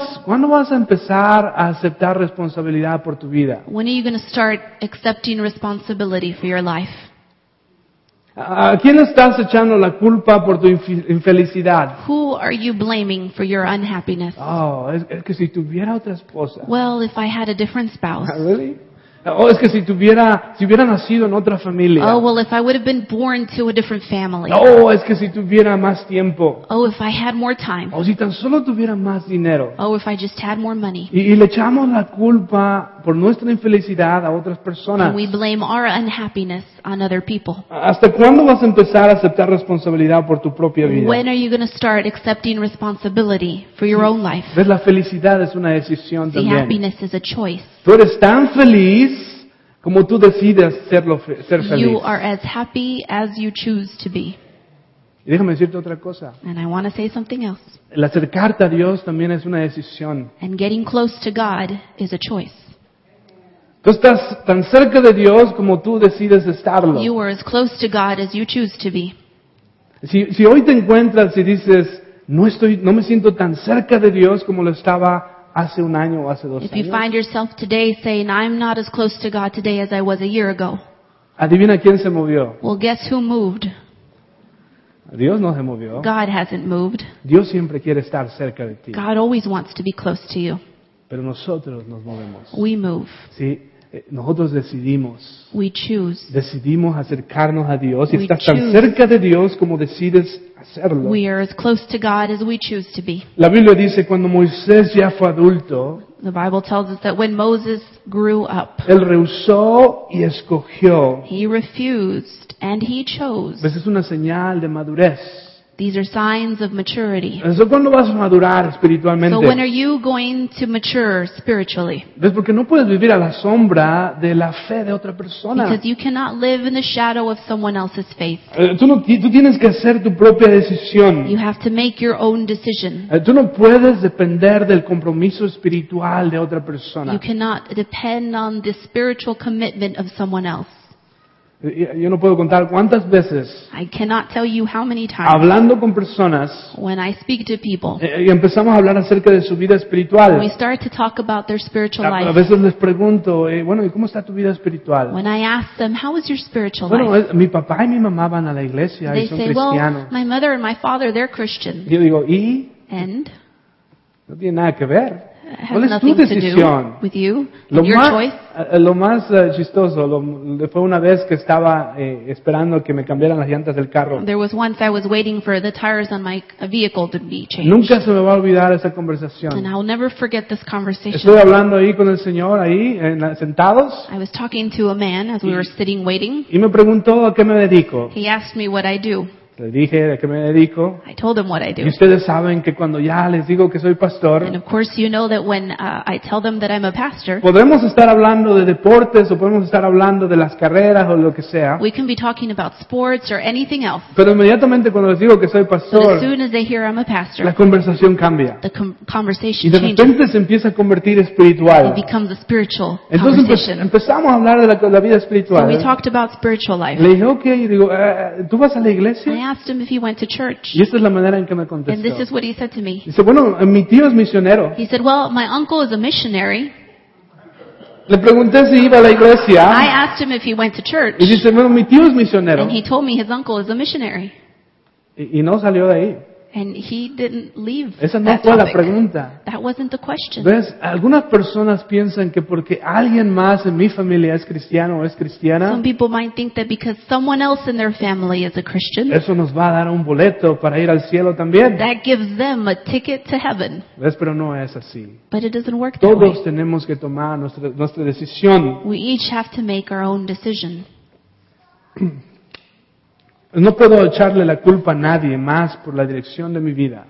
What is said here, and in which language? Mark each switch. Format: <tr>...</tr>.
<es>¿Cuándo vas a empezar a aceptar responsabilidad por tu vida?</es> <en>When are you going to start accepting responsibility for your life?</en> <es>¿A quién estás echando la culpa por tu infelicidad?</es> <en>Who are you blaming for your unhappiness?</en> <es>Oh, es que si tuviera otra esposa.</es> <en>Well, if I had a different spouse. Really?</en> <es>Oh, es que si hubiera nacido en otra familia.</es> <en>Oh, well, if I would have been born to a different family.</en> <es>Oh, es que si tuviera más tiempo.</es> <en>Oh, if I had more time.</en> <es>Oh, si tan solo tuviera más dinero.</es> <en>Oh, if I just had more money.</en> <es>Y le echamos la culpa por nuestra infelicidad a otras personas.</es> <en>And we blame our unhappiness on other people.</en> <es>¿Hasta cuándo vas a empezar a aceptar responsabilidad por tu propia vida?</es> <en>When are you going to start accepting responsibility for your own life?</en> <es>Ves, la felicidad es una decisión también.</es> <en>See, happiness is a choice.</en> <es>Tú eres tan feliz como tú decides ser feliz.</es> <en>You are as happy as you choose to be.</en> <es>Y déjame decirte otra cosa.</es> <en>And I want to say something else.</en> <es>El acercarte a Dios también es una decisión.</es> <en>And getting close to God is a choice.</en> <es>Tú estás tan cerca de Dios como tú decides estarlo.</es> <en>You are as close to God as you choose to be.</en> <es>Si hoy te encuentras y dices, no me siento tan cerca de Dios como lo estaba hace un año o hace dos años.</es> <en>If you find yourself today saying, I'm not as close to God today as I was a year ago.</en> <es>Adivina quién se movió.</es> <en>Well, guess who moved.</en> <es>Dios no se movió.</es> <en>God hasn't moved.</en> <es>Dios siempre quiere estar cerca de ti.</es> <en>God always wants to be close to you.</en> <es>Pero nosotros nos movemos.</es> <en>We move.</en> <es>Sí. Nosotros decidimos.</es> <en>We choose.</en> <es>Decidimos acercarnos a Dios. Y estás tan cerca de Dios como decides hacerlo.</es> <en>We are as close to God as we choose to be.</en> <es>La Biblia dice cuando Moisés ya fue adulto.</es> <en>The Bible tells us that when Moses grew up.</en> <es>Él rehusó y escogió.</es> <en>He refused and he chose.</en> <es>Pues es una señal de madurez.</es> <en>These are signs of maturity.</en> <es>¿Eso cuándo vas a madurar espiritualmente?</es> <en>So when are you going to mature spiritually?</en> <es>Es porque no puedes vivir a la sombra de la fe de otra persona.</es> <en>Because you cannot live in the shadow of someone else's faith.</en> <es>Tú tienes que hacer tu propia decisión.</es> <en>You have to make your own decision.</en> <es>Tú no puedes depender del compromiso espiritual de otra persona.</es> <en>You cannot depend on the spiritual commitment of someone else.</en> <es>Yo no puedo contar cuántas veces.</es> <en>I cannot tell you how many times.</en> <es>Hablando con personas.</es> <en>When I speak to people.</en> <es>Y empezamos a hablar acerca de su vida espiritual.</es> <en>We start to talk about their spiritual life.</en> <es>A veces les pregunto, bueno, ¿y cómo está tu vida espiritual?</es> <en>When I ask them, how is your spiritual life?</en> <es>Bueno, mi papá y mi mamá van a la iglesia y son cristianos.</es> <en>They say, well, my mother and my father, they're Christians.</en> <es>Yo digo, ¿y?</es> <en>And?</en> <es>No tiene nada que ver. ¿Cuál es tu decisión?</es> <en>With you,</en> <es>lo más chistoso fue una vez que estaba esperando que me cambiaran las llantas del carro.</es> <en>There was once I was waiting for the tires on my vehicle to be changed.</en> <es>Nunca se me va a olvidar esa conversación.</es> <en>And I'll never forget this conversation.</en> <es>Estoy hablando ahí con el señor ahí sentados.</es> <en>I was talking to a man as we were sitting waiting.</en> <es>Y me preguntó a qué me dedico.</es> <en>He asked me what I do.</en> <es>Le dije a qué me dedico.</es> <en>I told them what I do.</en> <es>Y ustedes saben que cuando ya les digo que soy pastor.</es> <en>And of course you know that when I tell them that I'm a pastor.</en> <es>Podemos estar hablando de deportes o podemos estar hablando de las carreras o lo que sea.</es> <en>We can be talking about sports or anything else.</en> <es>Pero inmediatamente cuando les digo que soy pastor.</es> <en>But as soon as they hear I'm a pastor.</en> <es>La conversación cambia.</es> <en>The conversation changes.</en> <es>Y de repente</es> <en>changes.</en> <es>Se empieza a convertir espiritual.</es> <en>It becomes a spiritual conversation.</en> <es>Entonces empezamos a hablar de la vida espiritual.</es> <en>So we talked about spiritual life.</en> <es>Le dije, okay, y digo, ¿tú vas a la iglesia?</es> <en>I asked him if he went to church.</en> <es>Y esta es la manera en que me contestó.</es> <en>And this is what he said to me.</en> <es>Dice, bueno, mi tío es misionero.</es> <en>He said, well, my uncle is a missionary.</en> <es>Le pregunté si iba a la iglesia.</es> <en>I asked him if he went to church.</en> <es>Y dice, bueno, mi tío es misionero.</es> <en>And he told me his uncle is a missionary.</en> <es>Y no salió de ahí.</es> <en>And he didn't leave.</en> <es>Esa no fue la pregunta.</es> <en>That wasn't the question.</en> <es>¿Ves? Algunas personas piensan que porque alguien más en mi familia es cristiano o es cristiana.</es> <en>Some people might think that because someone else in their family is a Christian.</en> <es>Eso nos va a dar un boleto para ir al cielo también.</es> <en>That gives them a ticket to heaven.</en> <es>¿Ves? Pero no es así.</es> <en>But it doesn't work that</en> <es>Todos</es> <en>way.</en> <es>Todos tenemos que tomar nuestra decisión.</es> <en>We each have to make our own decision.</en> <es>No puedo echarle la culpa a nadie más por la dirección de mi vida.</es>